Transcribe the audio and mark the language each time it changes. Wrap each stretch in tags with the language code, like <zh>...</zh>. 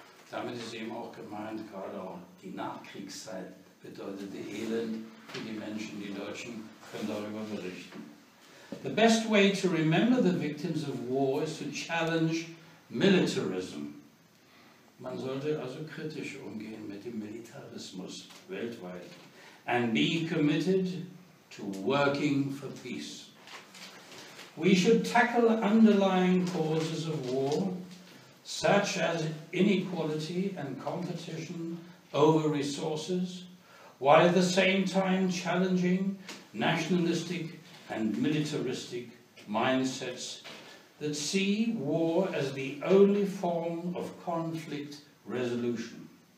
<de>Damit ist eben auch gemeint, gerade auch die Nachkriegszeit bedeutete Elend für die Menschen, die Deutschen können darüber berichten.</de> <en>The best way to remember the victims of war is to challenge militarism.</en> <de>Man sollte also kritisch umgehen mit dem Militarismus weltweit.</de> <en>And be committed to working for peace. We should tackle underlying causes of war, such as inequality and competition over resources, while at the same time challenging nationalistic and militaristic mindsets that see war as the only form of conflict resolution.</en>